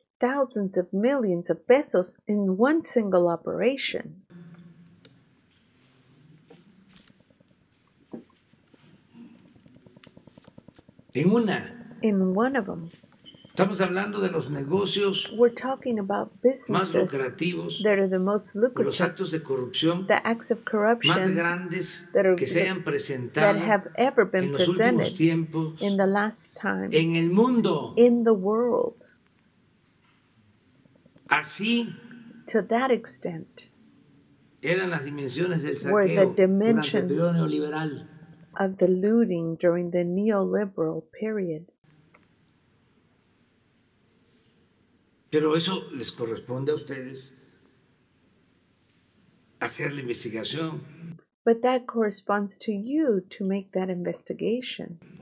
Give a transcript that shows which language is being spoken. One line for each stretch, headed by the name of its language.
English: Thousands of millions of pesos in one single operation.
Spanish: En una.
English: In one of them.
Spanish: Estamos hablando de los negocios.
English: We're talking about businesses.
Spanish: Más lucrativos.
English: That are the most lucrative.
Spanish: Los actos de corrupción.
English: The acts of corruption.
Spanish: Más grandes que se hayan presentado.
English: That have ever been
Spanish: en los
English: presented
Spanish: últimos tiempos.
English: In the last time.
Spanish: En el mundo.
English: In the world.
Spanish: Así.
English: To that extent.
Spanish: Eran las dimensiones del saqueo durante el periodo neoliberal.
English: Of the looting during the neoliberal period.
Spanish: Pero eso les corresponde a ustedes hacer la investigación.
English: But that corresponds to you to make that investigation.